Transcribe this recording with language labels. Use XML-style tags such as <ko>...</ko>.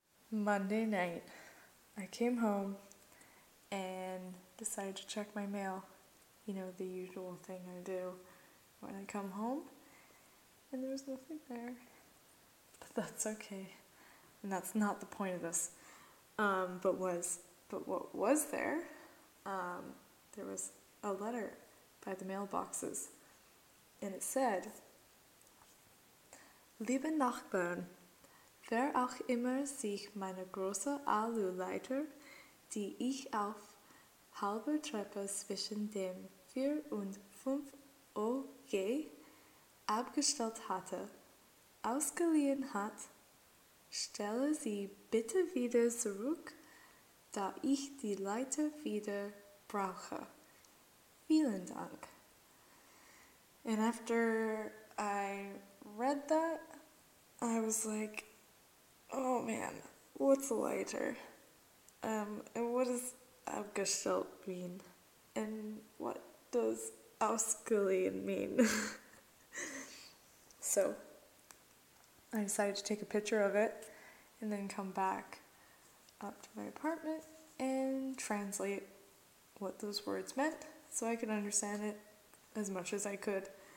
<en>Monday night, I came home and decided to check my mail. You know, the usual thing I do when I come home, and there was nothing there. But that's okay. And that's not the point of this. But what was there? There was a letter by the mailboxes, and it said,</en> <de>"Liebe Nachbarn, wer auch immer sich meine große Alu-Leiter, die ich auf halber Treppe zwischen dem 4 und 5 OG abgestellt hatte, ausgeliehen hat, stelle sie bitte wieder zurück, da ich die Leiter wieder brauche. Vielen Dank."</de> <en>And after I read that, I was like, oh man, what's a leiter? And what does abgestellt mean? And what does ausgeliehen mean? So, I decided to take a picture of it and then come back up to my apartment and translate what those words meant so I could understand it as much as I could.</en>